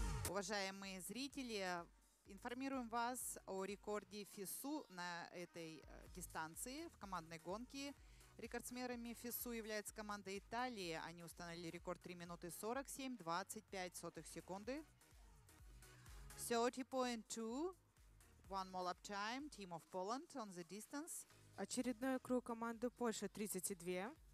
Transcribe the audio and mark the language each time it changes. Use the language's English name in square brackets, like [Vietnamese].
[Russian] Уважаемые зрители, информируем вас о рекорде ФИСУ на этой дистанции в командной гонке. Рекордсменами ФИСУ является команда Италии. Они установили рекорд 3 минуты 47, 25 секунды. [English] 30.2, one more lap time, team of Poland on the distance. [Russian] Очередной круг команды Польши 32.